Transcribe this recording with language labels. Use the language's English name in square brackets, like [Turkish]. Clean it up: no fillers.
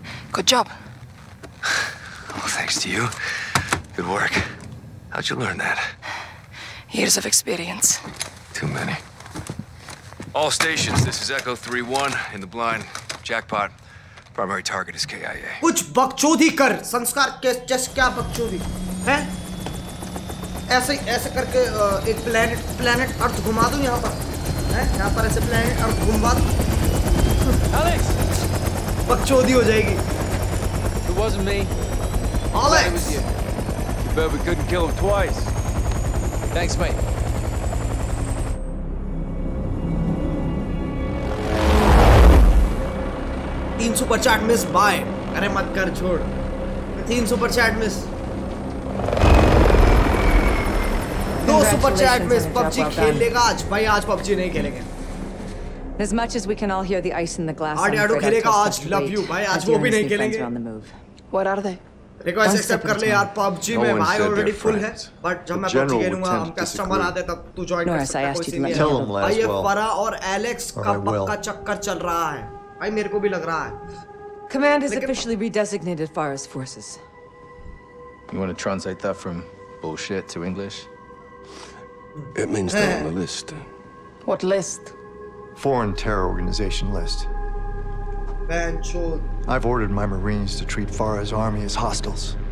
[English] Good job. Oh, thanks to you. Good work. How'd you learn that? Years of experience. Too many. All stations, this is Echo 3-1 in the blind. Jackpot. Primary target is KIA. [Hindi] कुछ बकचोदी कर, संस्कार के जस क्या बकचोदी, हैं? ऐसे ऐसे करके एक प्लैनेट प्लैनेट अर्थ घुमा दूँ यहाँ पर, हैं? यहाँ पर ऐसे प्लैनेट अर्थ घुमा दूँ? Alex, बकचोदी हो जाएगी. [English] It wasn't me. Alex. It was you. You bet we couldn't kill him twice. Thanks, mate. [Hindi] तीन सुपर चैट मिस बाय. अरे मत कर छोड़, तीन सुपर चैट मिस, दो सुपर चैट मिस. पबजी खेलेगा आज भाई? आज पबजी नहीं खेलेंगे. [English] As much as we can all hear the ice in the glass. [Hindi] आड़ खेलेगा आज. लव यू भाई. आज वो भी नहीं खेलेंगे. [English] What are they? [Hindi] Request accept कर ले यार. पबजी में भाई ऑलरेडी फुल है, बट जब मैं पबजी खेलूंगा हम कस्टमर आते तब तू ज्वाइन कर सकता है. ये परा और एलेक्स का पक्का चक्कर चल रहा है भाई, मेरे को भी लग रहा है. [English] Command is officially redesignated Forest Forces. You want to translate that from bullshit to English? It means they're on the list. What list? Foreign terror organization list. [Hindi] Banchod. [English] I've ordered my Marines to treat Farah's army as hostiles.